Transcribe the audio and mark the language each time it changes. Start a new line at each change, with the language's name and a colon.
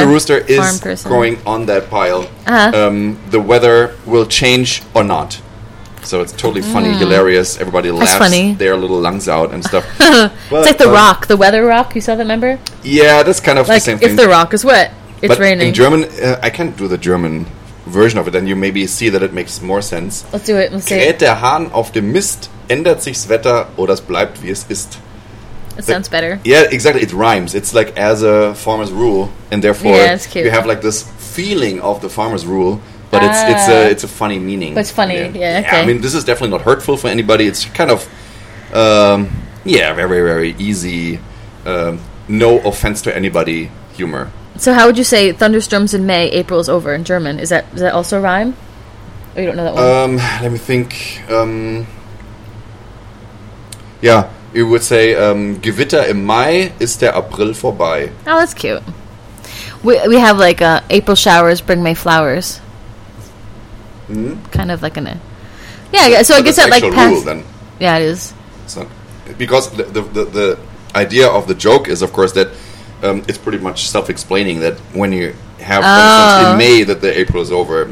English: if the rooster is crowing on that pile, the weather will change or not. So it's totally funny, hilarious. Everybody laughs their little lungs out and stuff. But, it's like the rock, the weather rock. You saw that, remember? Yeah, that's kind of like the same thing. If the rock is wet, it's but raining. In German, I can't do the German version of it. Then you maybe see that it makes more sense. Let's do it. Let's see.
German: Kräht der Hahn auf dem Mist, ändert sich's Wetter, oder es bleibt wie es ist.
English: It sounds better. Yeah, exactly. It rhymes. It's like as a farmer's rule. And therefore, yeah, you have like this feeling of the farmer's rule, but it's a funny meaning. But it's funny, yeah. Okay. I mean, this is definitely not hurtful for anybody. It's kind of, very, very easy, no offense to anybody humor. So how would you say thunderstorms in May, April is over in German? Is that also a rhyme? Or you don't know that one? Let me think. Yeah, you would say
German: Gewitter im Mai ist der April vorbei.
English: Oh, that's cute. We have like April showers bring May flowers. Mm-hmm. Kind of like an... Yeah, so I guess that like past... Rule, then. Yeah, it is. So, because the idea of the joke is, of course, that it's pretty much self-explaining that when you have in May that the April is over.